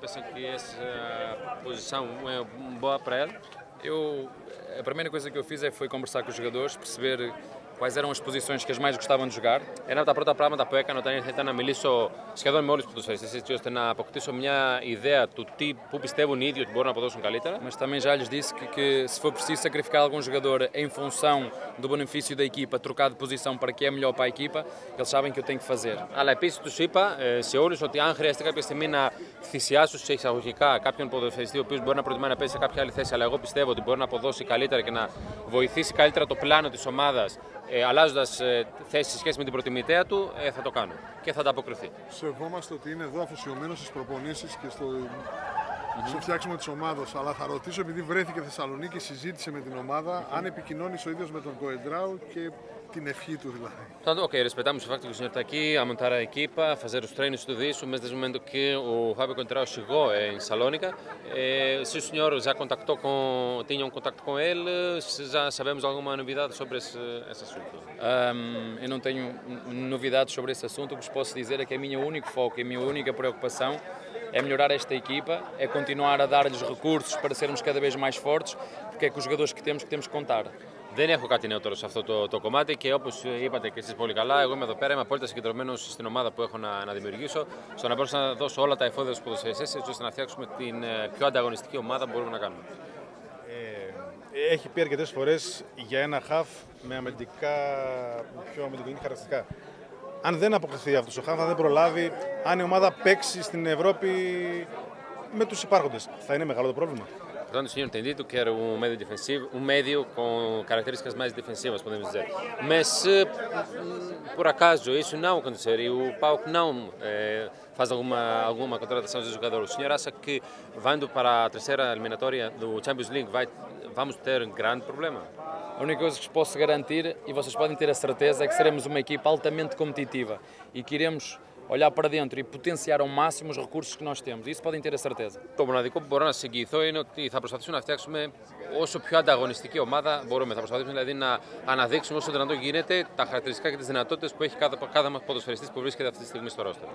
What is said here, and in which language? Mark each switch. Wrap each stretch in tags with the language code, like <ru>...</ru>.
<pt>Πεσανκριές που boa para ela. Eu, a primeira coisa que eu fiz foi conversar com os jogadores, perceber quais eram as posições que as mais gostavam de jogar.</pt> <el>Ένα από τα πρώτα πράγματα που έκανα όταν ήρθα ήταν να μιλήσω σχεδόν με όλους τους ποδοσφαιριστές, έτσι ώστε να αποκτήσω μια ιδέα του τι που πιστεύουν οι ίδιοι ότι μπορούν να αποδώσουν καλύτερα.</el> <pt>Mas também já lhes disse que se for preciso sacrificar algum jogador em função do benefício da equipa, trocar de posição para que é melhor para a equipa, eles sabem que eu tenho que fazer.</pt> <el>Αλλά επίσης τους είπα σε όλους ότι αν χρειαστεί κάποια στιγμή να θυσιάσω σε εισαγωγικά κάποιον ποδοσφαιριστή ο οποίος μπορεί να προτιμά να παίζει σε κάποια άλλη θέση, αλλά εγώ πιστεύω ότι μπορεί να αποδώσει καλύτερα και να βοηθήσει καλύτερα το πλάνο της ομάδας αλλάζοντας θέση σε σχέση με την προτιμητέα του, θα το κάνω και θα ανταποκριθεί. Σεβόμαστε ότι είναι εδώ αφοσιωμένο στις προπονήσεις και στο φτιάξιμο της ομάδας, αλλά θα ρωτήσω επειδή βρέθηκε Θεσσαλονίκη και συζήτησε με την ομάδα, αν επικοινώνησε ο ίδιος με τον Κοεντράου και την ευχή του δηλαδή.</el> <pt>Tanto, ok, respeitamos o facto que o senhor está aqui a montar a equipa, a fazer os treinos e tudo isso, mas desde o momento que o Fábio Contreras chegou em Salónica, se o senhor já contactou com, tinha um contacto com ele, se já sabemos alguma novidade sobre esse assunto? Eu não tenho novidades sobre esse assunto, o que vos posso dizer é que o meu único foco e a minha única preocupação é melhorar esta equipa, é continuar a dar-lhes recursos para sermos cada vez mais fortes, porque é com os jogadores que temos que contar.</pt> <el>Δεν έχω κάτι νεότερο σε αυτό το κομμάτι και όπως είπατε και εσείς πολύ καλά, εγώ είμαι εδώ πέρα, είμαι απόλυτα συγκεντρωμένος στην ομάδα που έχω να δημιουργήσω, στο να μπορέσω να δώσω όλα τα εφόδια στους ποδοσφαιριστές έτσι ώστε να φτιάξουμε την πιο ανταγωνιστική ομάδα που μπορούμε να κάνουμε. Έχει πει αρκετές φορές για ένα χαφ με αμυντικά, πιο αμυντικά χαρακτηριστικά. Αν δεν αποκριθεί αυτός ο χαφ, θα δεν προλάβει, αν η ομάδα παίξει στην Ευρώπη με τους υπάρχοντες, θα είναι μεγάλο το πρόβλημα.</el> <pt>Portanto, o senhor tem dito que era um médio com características mais defensivas, podemos dizer. Mas se por acaso isso não acontecer e o Pauk não faz alguma contratação de jogador, o senhor acha que vindo para a terceira eliminatória do Champions League vamos ter um grande problema? A única coisa que posso garantir, e vocês podem ter a certeza, é que seremos uma equipa altamente competitiva e que iremos olhar para dentro e potenciar ao máximo os recursos que nós temos. Isso podem ter a certeza.</pt> <el>Το μοναδικό που μπορώ να συγκυηθώ είναι ότι θα προσπαθήσουμε να φτιάξουμε όσο πιο ανταγωνιστική ομάδα μπορούμε. Θα προσπαθήσουμε δηλαδή να αναδείξουμε όσο δυνατό γίνεται τα χαρακτηριστικά και τις δυνατότητες που έχει κάθε μας ποδοσφαιριστής που βρίσκεται αυτή τη στιγμή στο ρόστερ.</el>